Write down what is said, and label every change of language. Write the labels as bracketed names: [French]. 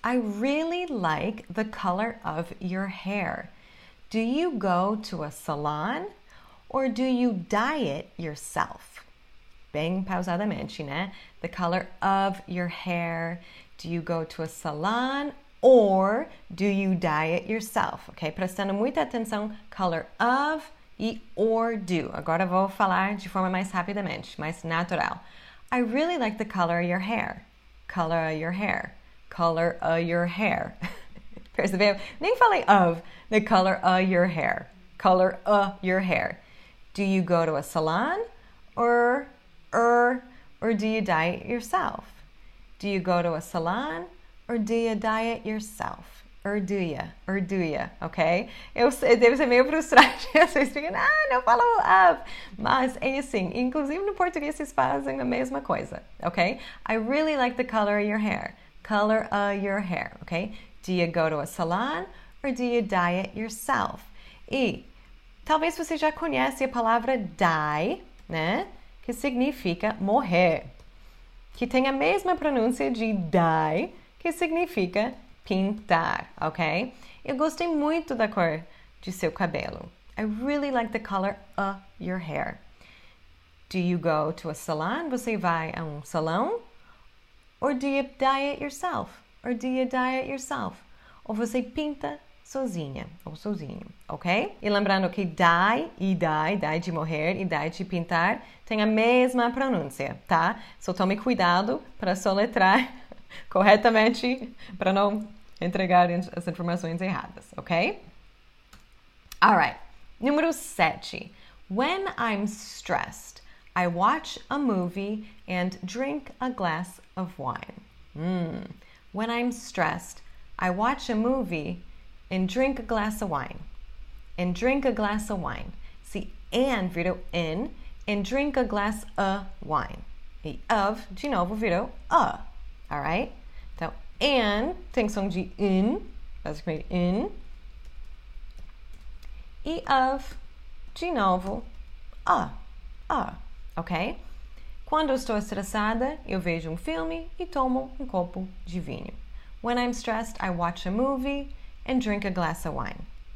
[English] I really like the color of your hair. Do you go to a salon? Or do you dye it yourself? [Portuguese] Bem pausadamente, né? [English] The color of your hair. Do you go to a salon or do you dye it yourself? [Portuguese] Ok? Prestando muita atenção, color of e or do. Agora vou falar de forma mais rapidamente, mais natural. [English] I really like the color of your hair. Color of your hair. Color of your hair. [Portuguese] Percebeu? Nem falei of, [English] the color of your hair. [Portuguese] Color of your hair. [English] Do you go to a salon or do you dye it yourself? Do you go to a salon or do you dye it yourself? Or do you, ok? [Portuguese] Eu devo ser meio frustrada, vocês ficam, não falo of! Mas é assim, inclusive no português vocês fazem a mesma coisa, ok? [English] I really like the color of your hair. Color of your hair, ok? Do you go to a salon or do you dye it yourself? [Portuguese] E talvez você já conhece a palavra die, né? Que significa morrer. Que tem a mesma pronúncia de die, que significa pintar, ok? Eu gostei muito da cor de seu cabelo. [English] I really like the color of your hair. Do you go to a salon? [Portuguese] Você vai a um salão? [English] Or do you dye it yourself? Or do you dye it yourself? [Portuguese] Ou você pinta sozinha ou sozinho, ok? E lembrando que die de morrer e die de pintar tem a mesma pronúncia, tá? Só tome cuidado para soletrar corretamente para não entregar as informações erradas, ok? Alright, número 7. [English] When I'm stressed, I watch a movie and drink a glass of wine. When I'm stressed, I watch a movie and drink a glass of wine. And drink a glass of wine. [Portuguese] Se and virou in, [English] and drink a glass of wine. [Portuguese] E of, de novo, virou a. Alright? Então, and tem som de in, basicamente in. E of, de novo, a. Ok? Quando estou estressada, eu vejo um filme e tomo um copo de vinho. [English] When I'm stressed, I watch a movie and drink a glass of wine.